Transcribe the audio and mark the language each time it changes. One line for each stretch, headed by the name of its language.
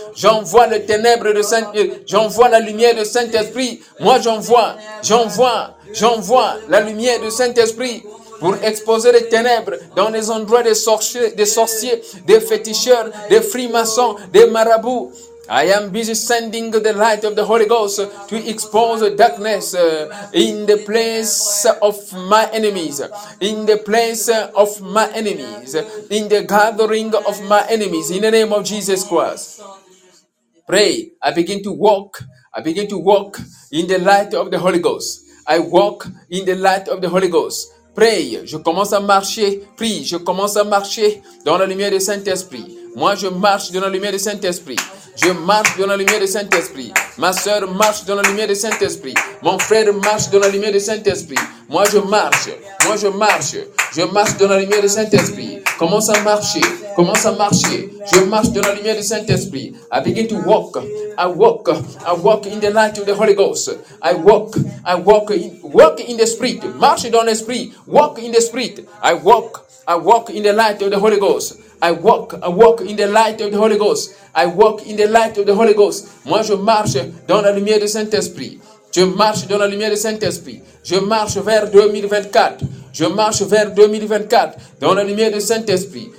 French: J'envoie le ténèbre de Saint, j'envoie la lumière du Saint-Esprit. Moi, j'envoie la lumière du Saint-Esprit pour exposer les ténèbres dans les endroits des sorciers, des féticheurs, des frimassants, des marabouts.
English: I am busy sending the light of the Holy Ghost to expose darkness in the place of my enemies, in the place of my enemies, in the gathering of my enemies, in the name of Jesus Christ. Pray. I begin to walk in the light of the Holy Ghost. I walk in the light of the Holy Ghost. Pray.
French: Je commence à marcher. Prie. Je commence à marcher dans la lumière du Saint-Esprit. Moi, je marche dans la lumière du Saint-Esprit. Je marche dans la lumière du Saint-Esprit. Ma sœur marche dans la lumière du Saint-Esprit. Mon frère marche dans la lumière du Saint-Esprit. Moi, je marche. Moi, je marche. Je marche dans la lumière du Saint-Esprit. Commence à marcher. Commence à marcher. Je marche dans la lumière du Saint-Esprit.
English: I begin to walk. I walk. I walk in the light of the Holy Ghost. I walk. I walk. Walk in the Spirit.
French: Marche dans l'Esprit.
English: Walk in the Spirit. I walk. I walk in the light of the Holy Ghost. I walk in the light of the Holy Ghost. I walk in the light of the Holy Ghost.
French: Moi, je marche dans la lumière du Saint-Esprit. Je marche dans la lumière du Saint-Esprit. Je marche vers 2024. Je marche vers 2024 dans la lumière du Saint-Esprit.